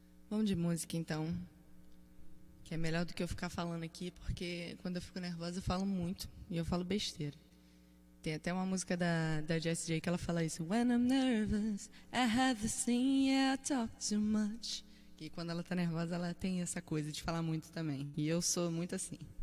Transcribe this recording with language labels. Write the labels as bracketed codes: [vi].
[pt] Vamos de música, então. Que é melhor do que eu ficar falando aqui, porque quando eu fico nervosa eu falo muito. E eu falo besteira. Tem até uma música da Jessie J que ela fala isso. [en] When I'm nervous, I have a thing, yeah, I talk too much. [pt] E quando ela tá nervosa, ela tem essa coisa de falar muito também. E eu sou muito assim.